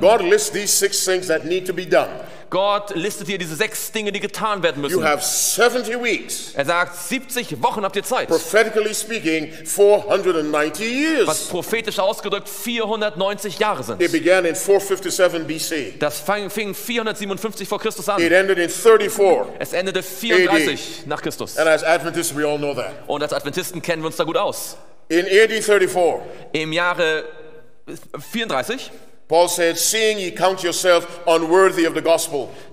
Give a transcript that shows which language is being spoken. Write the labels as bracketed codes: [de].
[en] God lists these six things that need to be done. [de] Gott listet hier diese sechs Dinge, die getan werden müssen. [en] You have 70 weeks. [de] Er sagt, 70 Wochen habt ihr Zeit. [en] Prophetically speaking, 490 years. [de] Was prophetisch ausgedrückt 490 Jahre sind. [en] It began in 457 BC. [de] Das fing 457 vor Christus an. [en] It ended in 34. [de] Es endete 34 nach Christus. [en] And as Adventists, we all know that. [de] Und als Adventisten kennen wir uns da gut aus. [en] In AD 34. [de] Im Jahre 34. [en] Paul said, seeing ye count yourself unworthy of the gospel.